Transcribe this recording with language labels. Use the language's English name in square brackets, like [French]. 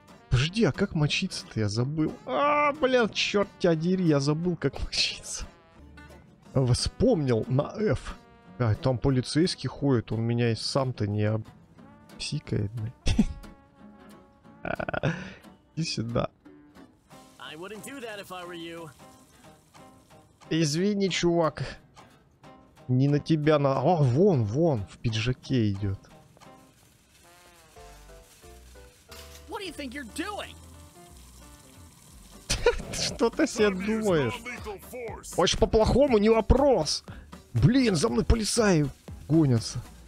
[Russian] Подожди, а как мочиться-то? Я забыл. Блин, черт тебя дери, я забыл, как мочиться. Вспомнил на F. А, там полицейский ходит, он меня и сам-то не обсикает. Иди сюда. [English] I wouldn't do that if I were you. [Russian] Извини, чувак. Не на тебя, на... А, вон, вон, в пиджаке идет. [English] What do you think you're doing? [Russian] Что ты себе думаешь? Очень по-плохому, не вопрос. Блин, за мной полицаи гонятся.